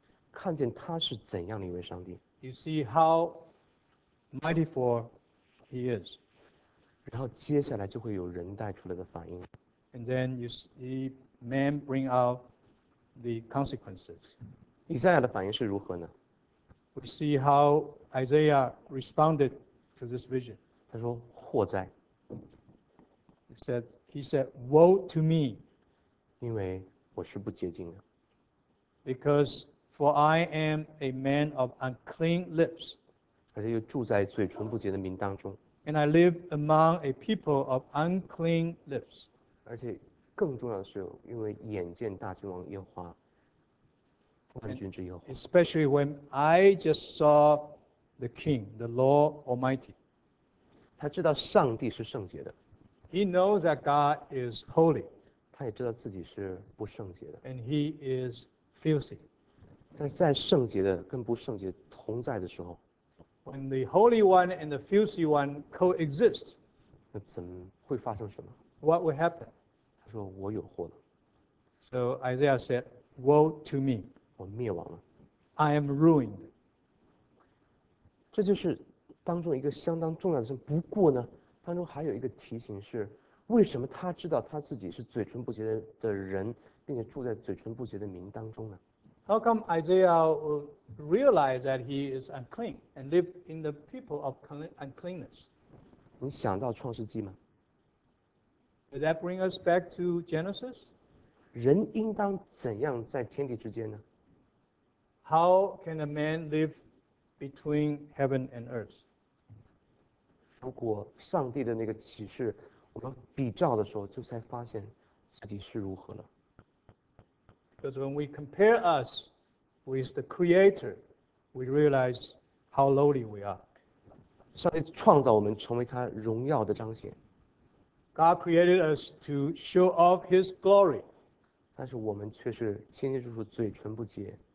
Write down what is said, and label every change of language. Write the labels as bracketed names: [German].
[Chinese] 看见他是怎样的一位上帝。 [English] You see how mightyful he is. [Chinese] 然后接下来就会有人带出来的反应。 [English] And then you see man bring out the consequences. [Chinese] 以赛亚的反应是如何呢？ [English] We see how Isaiah responded to this vision. [Chinese] 他说：“祸哉 [English] He said, Woe to me, [Chinese] ，因为我是不洁净的。 [English] because for I am a man of unclean lips, [Chinese] ”而且又住在嘴唇不洁的民当中， [English] and I live among a people of unclean lips. [Chinese] 而且更重要的是，因为眼见大君王耶和华，万军之耶和华。 [English] Especially when I just saw the King, the Lord Almighty. [Chinese] 他知道上帝是圣洁的， [English] He knows that God is holy, [Chinese] 他也知道自己是不圣洁的。 [English] and he is filthy. [Chinese] 但是在圣洁的跟不圣洁同在的时候， [English] When the holy one and the filthy one coexist, [Chinese] 那怎么会发生什么？ [English] what will happen? [Chinese] 他说：“我有祸 [English] So Isaiah said, Woe to me, [Chinese] 我灭亡了。 [English] I am ruined. [Chinese] 这就是。当中一个相当重要的事，不过呢，当中还有一个提醒是：为什么他知道他自己是嘴唇不洁的人，并且住在嘴唇不洁的民当中呢？ [English] How come Isaiah will realize that he is unclean and live in the people of uncleanness? [Chinese] 你想到创世纪吗？ [English] Does that bring us back to Genesis? [Chinese] 人应当怎样在天地之间呢？ [English] How can a man live between heaven and earth? [Chinese] 如果上帝的那个启示，我们比照的时候，就才发现自己是如何了。 [English] Because when we compare us with the Creator, we realize how lowly we are. [Chinese] 上帝创造我们，成为他荣耀的彰显。 [English] God created us to show off His glory. [Chinese] 但是我们却是清清楚楚，嘴唇不洁。